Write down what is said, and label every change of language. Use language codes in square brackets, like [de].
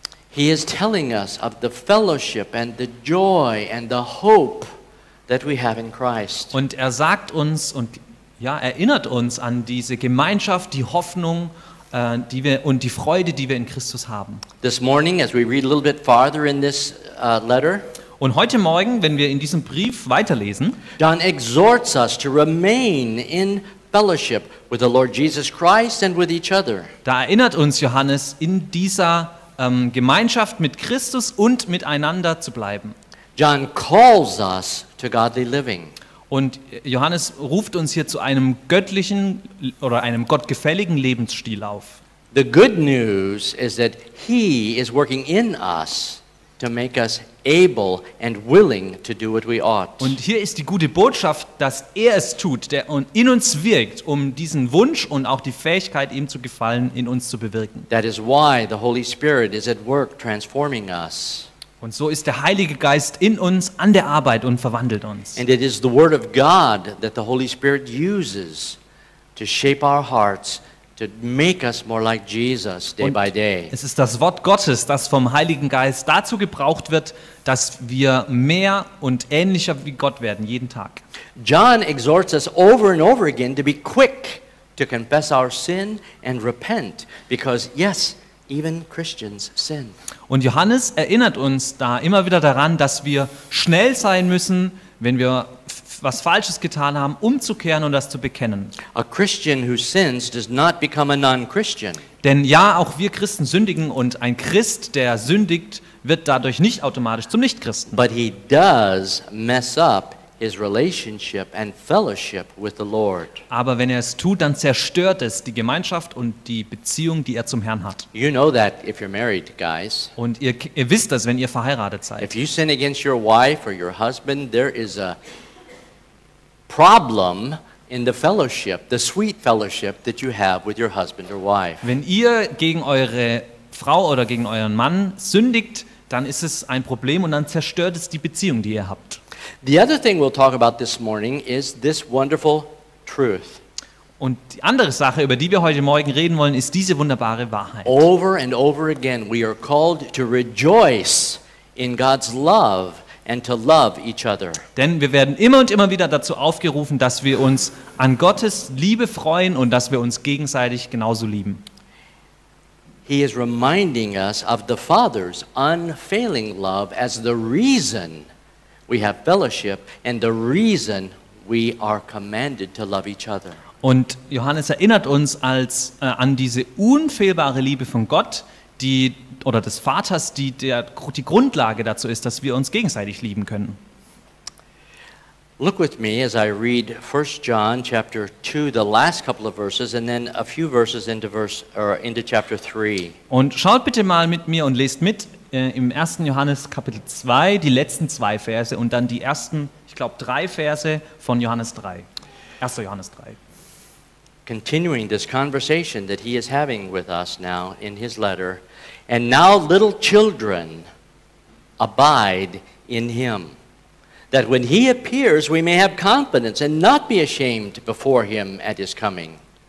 [en] He is telling us of the fellowship and the joy and the hope that we have in Christ. [de] Und sagt uns und erinnert uns an diese Gemeinschaft, die Hoffnung, die wir und die Freude, die wir in Christus haben. [en] This morning as we read a little bit farther in this letter. [de] Und heute Morgen, wenn wir in diesem Brief weiterlesen, [en] John exhorts us to remain in fellowship with the Lord Jesus Christ and with each other. [de] Da erinnert uns Johannes in dieser Gemeinschaft mit Christus und miteinander zu bleiben. [en] John calls us to godly living. [de] Und Johannes ruft uns hier zu einem göttlichen oder einem gottgefälligen Lebensstil auf. [en] The good news is that he is working in us to make us able and willing to do what we ought. [de] Und hier ist die gute Botschaft, dass er es tut, der in uns wirkt, um diesen Wunsch und auch die Fähigkeit, ihm zu gefallen, in uns zu bewirken. [en] That is why the Holy Spirit is at work transforming us. [de] Und so ist der Heilige Geist in uns an der Arbeit und verwandelt uns. [en] And it is the word of God that the Holy Spirit uses to shape our hearts, to make us more like Jesus day by day. [de] Es ist das Wort Gottes, das vom Heiligen Geist dazu gebraucht wird, dass wir mehr und ähnlicher wie Gott werden jeden Tag. [en] John exhorts us over and over again to be quick to confess our sin and repent, because yes, even Christians sin. [de] Und Johannes erinnert uns da immer wieder daran, dass wir schnell sein müssen, wenn wir was Falsches getan haben, umzukehren und das zu bekennen. [en] A Christian who sins does not become a non-Christian. [de] Denn ja, auch wir Christen sündigen, und ein Christ, der sündigt, wird dadurch nicht automatisch zum Nichtchristen. [en] But he does mess up his relationship and fellowship with the Lord. [de] Aber wenn er es tut, dann zerstört es die Gemeinschaft und die Beziehung, die er zum Herrn hat. [en] You know that if you're married, guys. [de] Und ihr wisst das, wenn ihr verheiratet seid. [en] If you sin against your wife or your husband, there is a problem in the fellowship, the sweet fellowship that you have with your husband or wife. [de] Wenn ihr gegen eure Frau oder gegen euren Mann sündigt, dann ist es ein Problem und dann zerstört es die Beziehung, die ihr habt. [en] The other thing we'll talk about this morning is this wonderful truth. [de] Und die andere Sache, über die wir heute Morgen reden wollen, ist diese wunderbare Wahrheit. [en] Over and over again, we are called to rejoice in God's love and to love each other. [de] Denn wir werden immer und immer wieder dazu aufgerufen, dass wir uns an Gottes Liebe freuen und dass wir uns gegenseitig genauso lieben. [en] He is reminding us of the Father's unfailing love as the reason we have fellowship and the reason we are commanded to love each other. [de] Und Johannes erinnert uns als an diese unfehlbare Liebe von Gott, die oder des Vaters, die Grundlage dazu ist, dass wir uns gegenseitig lieben können. [en] Look with me as I read 1 John chapter 2, the last couple of verses, and then a few verses into chapter 3. [de] Und schaut bitte mal mit mir und lest mit im 1. Johannes Kapitel 2, die letzten zwei Verse und dann die ersten, ich glaube, drei Verse von Johannes 3. 1. Johannes 3. [en] Continuing this conversation that he is having with us now in his letter. And now, little children, abide in him, that when he appears, we may have confidence and not be ashamed before him at his coming.